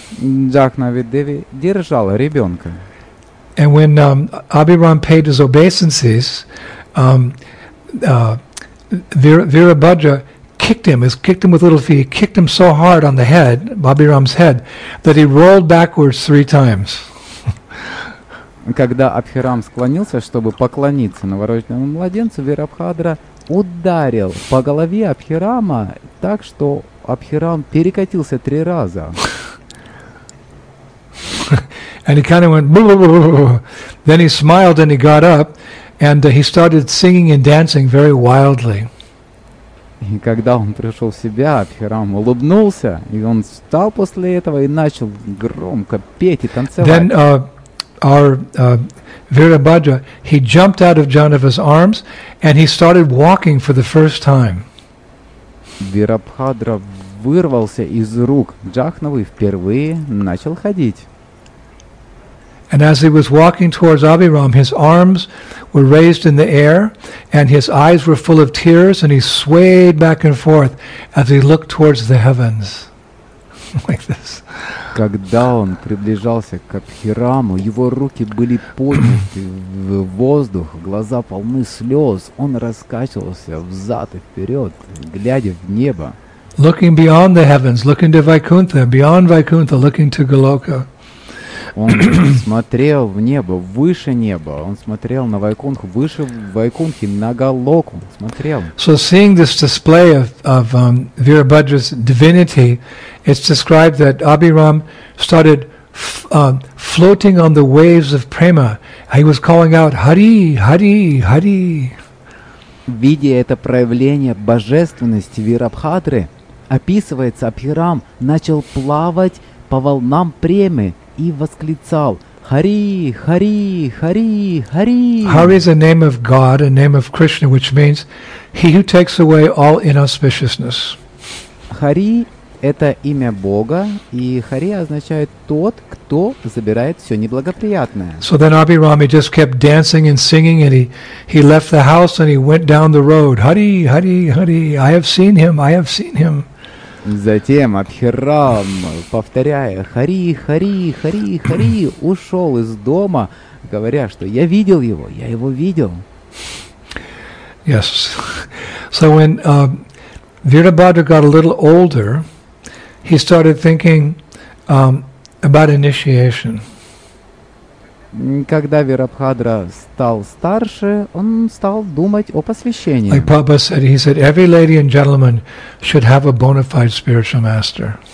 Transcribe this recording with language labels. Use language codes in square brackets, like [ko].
[ru] Джахнави Деви держала ребенка. [en] And when Abhiram paid his obeisances, Virabhadra kicked him with little feet. He kicked him so hard on the head, Abhiram's head, that he rolled backwards three times. [ru] Когда Абхирам склонился, чтобы поклониться новорожденному младенцу, Вирабхадра ударил по голове Абхирама так, что Абхирам перекатился три раза. [en] And he kind of went then he smiled and he got up and he started singing and dancing very wildly. [ru] И когда он пришел в себя, Абхирам улыбнулся, и он встал после этого и начал громко петь и танцевать. [en] Then Virabhadra, he jumped out of Janava's arms and he started walking for the first time. [ru] Вирабхадра вырвался из рук Джахнавы и впервые начал ходить. [en] And as he was walking towards Abhiram, his arms were raised in the air, and his eyes were full of tears, and he swayed back and forth as he looked towards the heavens, like this. [ru] Когда он приближался к Абхираму, его руки были подняты в воздух, глаза полны слез, он раскачивался взад и вперед, глядя в небо. [en] Looking beyond the heavens, looking to Vaikuntha, beyond Vaikuntha, looking to Goloka. [ru] Он смотрел в небо, выше неба. Он смотрел на Вайкунху, выше Вайкунхи, на Голоку. Смотрел. [en] So seeing this display of Virabhadra's divinity, it's described that Abhiram started floating on the waves of prema. He was calling out, Hari, Hari, Hari. [ru] Видя это проявление божественности Вирабхадры, описывается, Абхирам начал плавать по волнам премы. И восклицал Хари, Хари, Хари, Хари. [en] Hari is a name of God, a name of Krishna, which means he who takes away all inauspiciousness. [ru] Хари это имя Бога, и Хари означает тот, кто забирает все неблагоприятное. [en] So then Abhiram just kept dancing and singing, and he left the house and he went down the road. Hari, Hari, Hari. I have seen him. I have seen him. [ru] Затем Абхирам, повторяя «Хари, Хари, Хари, Хари», ушел из дома, говоря, что «Я видел его, я его видел». [en] Yes. So when Virabhadra got a little older, he started thinking about initiation. [ru] Когда Вирабхадра стал старше, он стал думать о посвящении. [en] Like Prabhupada said, he said, every lady and gentleman should have a bona fide spiritual master.